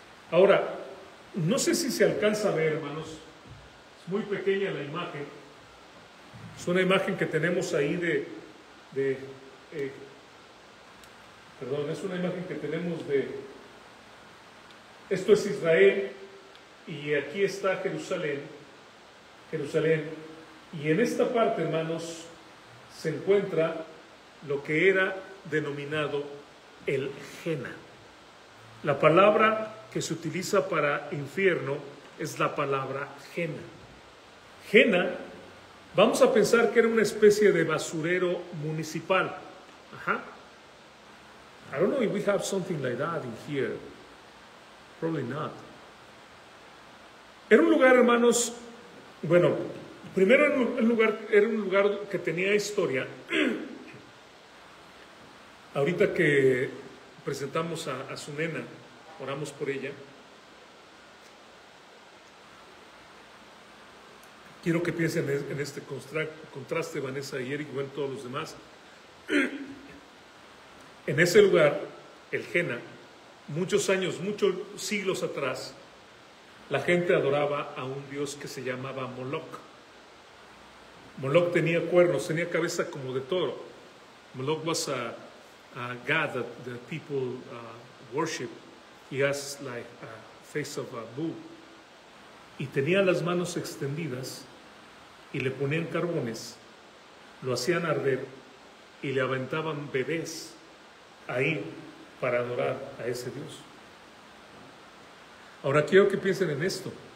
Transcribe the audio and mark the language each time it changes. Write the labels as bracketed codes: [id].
[es] Ahora, no sé si se alcanza a ver, hermanos, es muy pequeña la imagen, es una imagen que tenemos ahí esto es Israel, y aquí está Jerusalén, y en esta parte, hermanos, se encuentra lo que era denominado el Gena. La palabra que se utiliza para infierno es la palabra Gena. Gena, vamos a pensar que era una especie de basurero municipal. [en] Ajá. I don't know if we have something like that in here. Probably not. [es] Era un lugar, hermanos, bueno, primero era un lugar que tenía historia. Ahorita que presentamos a su nena, oramos por ella. Quiero que piensen en este contraste, Vanessa y Eric, bueno, todos los demás. En ese lugar, el Gena, muchos siglos atrás, la gente adoraba a un dios que se llamaba Moloch. Moloch tenía cuernos, tenía cabeza como de toro. [en] Moloch was a god that the people worship. He has like a face of a bull. [es] Y tenía las manos extendidas y le ponían carbones, lo hacían arder y le aventaban bebés ahí para adorar a ese dios. Ahora quiero que piensen en esto.